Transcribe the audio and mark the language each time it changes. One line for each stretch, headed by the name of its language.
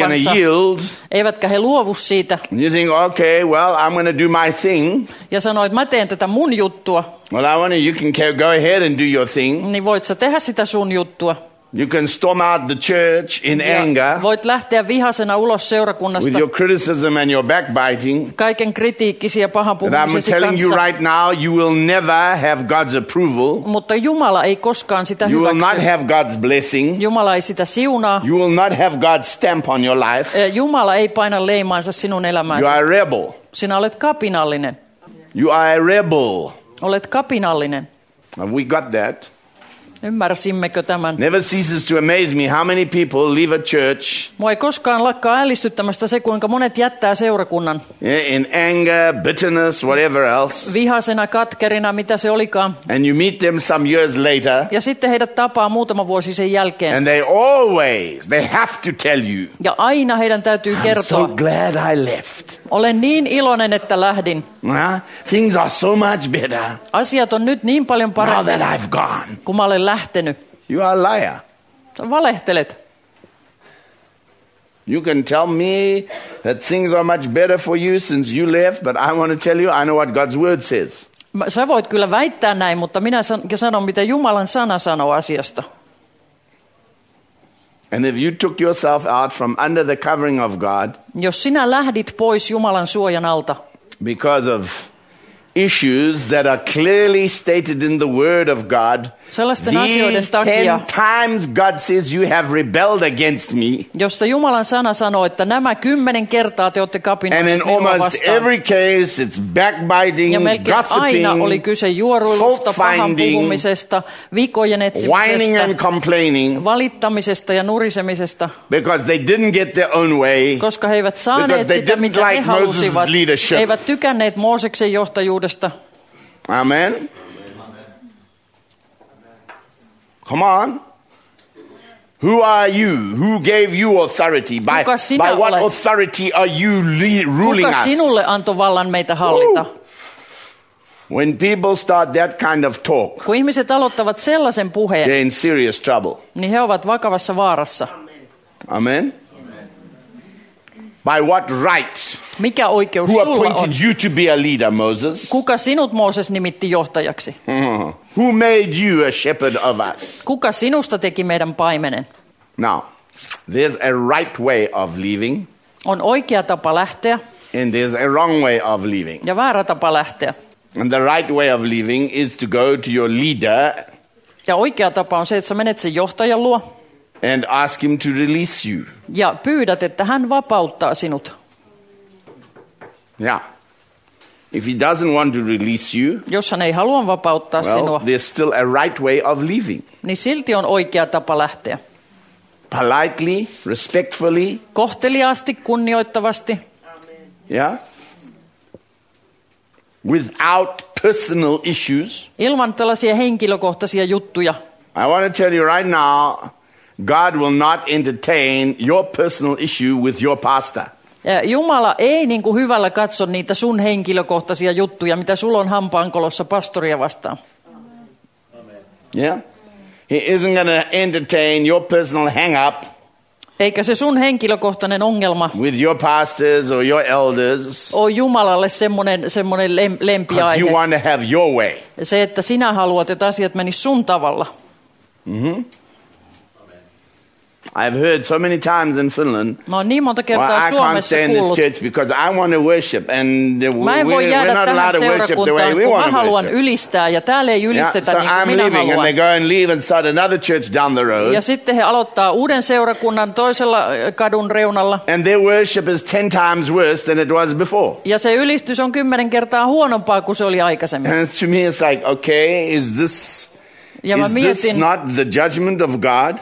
English: They're not going to yield.
Finnish: Eivätkä he luovu siitä.
English: You think, okay, well, I'm going to do my thing.
Finnish: Ja sanoit, että mä teen tätä mun juttua.
English: Well, I want you can go ahead and do your thing.
Finnish: Niin voit sä tehdä sitä sun juttua.
English: You can storm out the church in
Finnish: ja
English: anger.
Finnish: Voit lähteä vihasena ulos seurakunnasta.
English: With your criticism and your backbiting.
Finnish: Kaiken kritiikkisi ja pahan puhumisesi kanssa.
English: I'm telling you right now, you will never have God's approval.
Finnish: Mutta Jumala ei koskaan sitä hyväksy.
English: You will not have God's blessing.
Finnish: Jumala ei sitä siunaa.
English: You will not have God's stamp on your life.
Finnish: Jumala ei paina leimaansa sinun elämääsi.
English: You are a rebel.
Finnish: Sinä olet kapinallinen.
English: You are a rebel.
Finnish: Olet kapinallinen.
English: And we got that.
Finnish: Ymmärsimmekö tämän?
English: Never ceases to amaze me how many people leave a church.
Finnish: Mua ei koskaan lakkaa ällistyttämästä se, kuinka monet jättää seurakunnan.
English: Yeah, in anger, bitterness, whatever else.
Finnish: Vihasena, katkerina, mitä se olikaan.
English: And you meet them some years later.
Finnish: Ja sitten heidät tapaa muutama vuosi sen jälkeen.
English: And they have to tell you.
Finnish: Ja aina heidän täytyy kertoa.
English: I'm so glad I left.
Finnish: Olen niin iloinen, että lähdin.
English: Things are so much better.
Finnish: Asiat on nyt niin paljon paremmin.
English: Now that I've gone.
Finnish: Kun mä olen lähtenyt.
English: You are a liar.
Finnish: Sä valehtelet.
English: You can tell me that things are much better for you since you left, but I want to tell you I know what God's word says.
Finnish: Sä voit kyllä väittää näin, mutta minä sanon mitä Jumalan sana sanoo asiasta.
English: And if you took yourself out from under the covering of God,
Finnish: jos sinä lähdit pois Jumalan suojan alta,
English: because of issues that are clearly stated in the Word of God,
Finnish: sellaisten
English: these
Finnish: asioiden takia,
English: 10 times God says you have rebelled against me,
Finnish: josta Jumalan sana sanoo, että nämä 10 kertaa te olette kapinoineet minua vastaan.
English: And in almost every case it's backbiting, gossiping,
Finnish: aina oli kyse juoruilusta, pahan puhumisesta, vikojen etsimisestä,
English: whining and complaining,
Finnish: valittamisesta ja nurisemisesta,
English: because they didn't get their own way,
Finnish: koska he eivät saaneet sitä, mitä
English: like
Finnish: he halusivat,
English: leadership.
Finnish: Eivät tykänneet Mooseksen johtajuudesta.
English: Amen. Come on. Who are you? Who gave you authority? By what
Finnish: olet?
English: Authority are you ruling
Finnish: kuka
English: us?
Finnish: Kuka sinulle antoi vallan meitä hallita?
English: When people start that kind of talk,
Finnish: kun ihmiset aloittavat sellaisen puheen,
English: they're in serious trouble.
Finnish: Niin he ovat vakavassa vaarassa.
English: Amen. By what right?
Finnish: Mikä oikeus sulla on?
English: Who appointed you to be a leader, Moses?
Finnish: Kuka sinut Mooses nimitti johtajaksi?
English: Who made you a shepherd of us?
Finnish: Kuka sinusta teki meidän paimenen?
English: Now, there's a right way of leaving.
Finnish: On oikea tapa lähteä.
English: And there's a wrong way of leaving.
Finnish: Ja väärä tapa lähteä.
English: And the right way of leaving is to go to your leader.
Finnish: Ja oikea tapa on se, että sä menet sen johtajan luo.
English: And ask him to release you.
Finnish: Ja pyydät, että hän vapauttaa sinut.
English: Yeah. If he doesn't want to release you,
Finnish: jos hän ei halua vapauttaa sinua,
English: there's still a right way of leaving.
Finnish: Niin silti on oikea tapa lähteä.
English: Politely, respectfully.
Finnish: Kohteliaasti, kunnioittavasti.
English: Amen. Yeah. Without personal issues.
Finnish: Ilman tällaisia henkilökohtaisia juttuja.
English: I want to tell you right now, God will not entertain your personal issue with your pastor.
Finnish: Jumala ei niin kuin hyvällä katso niitä sun henkilökohtaisia juttuja, mitä sulla on hampaankolossa pastoria vastaan.
English: Amen. Yeah? He isn't going to entertain your personal hang-up.
Finnish: Eikä se sun henkilökohtainen ongelma.
English: With your pastors or your elders.
Finnish: On Jumalalle semmonen lempiaihe.
English: Because you want to have your way.
Finnish: Se, että sinä haluat, että asiat menis sun tavalla. Mm-hmm.
English: I've heard so many times in Finland.
Finnish: Mä oon niin monta kertaa Suomessa kuullut.
English: I can't stay in this church because I want to worship and we're not allowed to worship the way we want to worship.
Finnish: Ylistää, ja täällä ei ylistetä niin kuin minä haluan.
English: So I'm leaving and they go and leave and start another church down the road.
Finnish: Ja sitten he aloittaa uuden seurakunnan toisella kadun reunalla.
English: And their worship is 10 times worse than it was before.
Finnish: Ja se ylistys on 10 kertaa huonompaa kuin se oli aikaisemmin.
English: And to me it's like, okay, is this...
Finnish: Ja
English: is
Finnish: mietin,
English: this not the judgment of God?